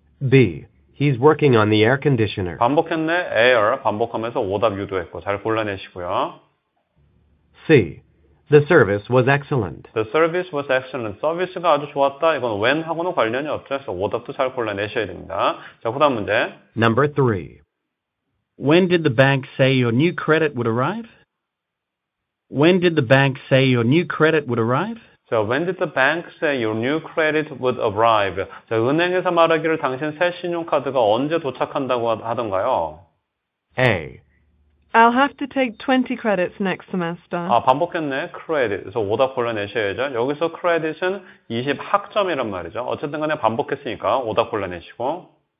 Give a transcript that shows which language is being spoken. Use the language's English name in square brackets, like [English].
[English] B. He's working on the air conditioner. [Korean] 반복했네. air 반복하면서 오답 유도했고 잘 골라내시고요. [English] C. The service was excellent. The service was excellent. [Korean] 서비스가 아주 좋았다. 이건 when 하고는 관련이 없죠. 그래서 오답도 잘 골라내셔야 됩니다. 자, 그 다음 문제. [English] Number 3. When did the bank say your new credit would arrive? When did the bank say your new credit would arrive? So, when did the bank say your new credit would arrive? [Korean] 자, 은행에서 말하기를 당신 새 신용카드가 언제 도착한다고 하던가요? [English] A. I'll have to take 20 credits next semester. [Korean] 아, 반복했네. credit. 그래서 오답 골라내셔야죠. 여기서 credit은 20학점이란 말이죠. 어쨌든 간에 반복했으니까 오답 골라내시고.